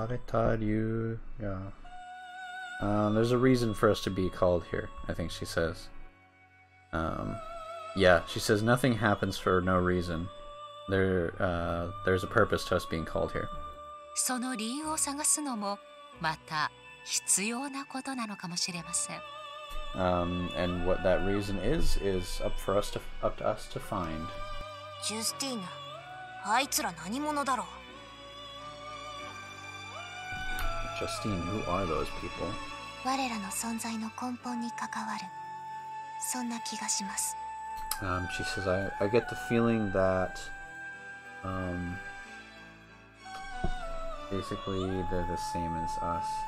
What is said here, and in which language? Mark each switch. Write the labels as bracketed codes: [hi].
[ja] 呼ばれた理由が。 [en] There's a reason for us to be called here, I think she says. Yeah, she says nothing happens for no reason. There's a purpose to us being called here. [ja] その理由を探すのもまた必要なことなのかもしれません。 [en] And what that reason is up to us to find. [ja] ジュスティーヌ、あいつら何者だろう？ [en] Justine, who are those people? [ja] 我らの存在の根本に関わる、そんな気がします。 [en] She says, I get the feeling that, basically they're the same as us.